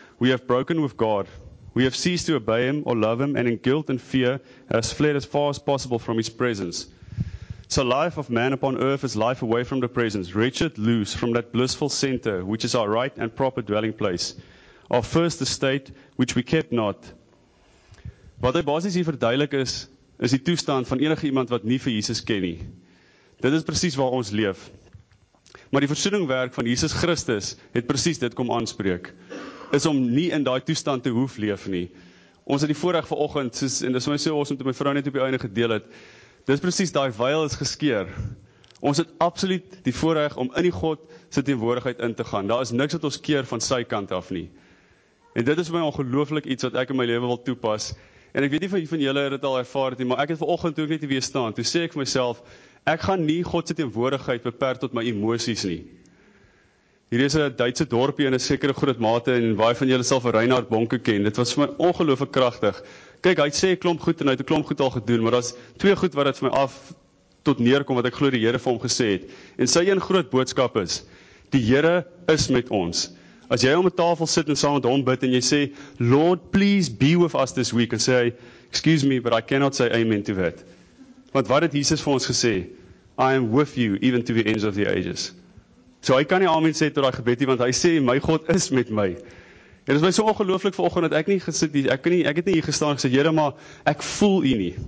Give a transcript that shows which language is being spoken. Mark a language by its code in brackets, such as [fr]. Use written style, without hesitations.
[en] We have broken with God. We have ceased to obey him or love him and in guilt and fear has fled as far as possible from his presence. So life of man upon earth is life away from the presence, wretched, loose from that blissful center which is our right and proper dwelling place. Our first estate which we kept not. [af] Wat hy basis hier verduidelik is die toestand van enige iemand wat nie vir Jesus ken nie. Dit is precies waar ons leef. Maar die versoeningswerk van Jesus Christus het precies dit kom aanspreek. Is om nie in daai toestand te hoef leef nie. Ons het die voorreg vanoggend, en dis my so awesome toe my vrou net op die einde gedeel het, dis precies daai veil is geskeur. Ons het absoluut die voorreg om in die God se teenwoordigheid in te gaan. Daar is niks wat ons keer van sy kant af nie. En dit is my ongelooflik iets wat ek in my lewe wil toepas. En ek weet nie van julle het dit al ervaar het nie, maar ek het vanoggend ook net weer staan. Toe sê ek vir myself, ek gaan nie God se teenwoordigheid beperk tot my emosies nie. Hier is een Duitse dorpie in een sekere groot mate en waar van julle self Reinhard Bonke ken. Dit was vir my ongelooflik krachtig. Kyk, hy sê klomp goed en hy het die klomp goed al gedoen, maar dat is twee goed wat het vir my af tot neerkom wat ek glo die Here vir hom gesê het. En sy een groot boodskap is, die Here is met ons. As jy om die tafel sit en saam met hom bid en jy sê, [en] Lord, please be with us this week, [af] en sê hy, [en] excuse me, but I cannot say amen to it. [af] Want wat het Jesus vir ons gesê? [en] I am with you even to the ends of the ages. [af] So hy kan nie amen sê tot hy gebed nie, want hy sê, my God is met my. En dit is my so ongelooflik vir oggend, dat ek nie gesit nie, ek het nie hier gestaan, en gesê, Here, maar ek voel u nie.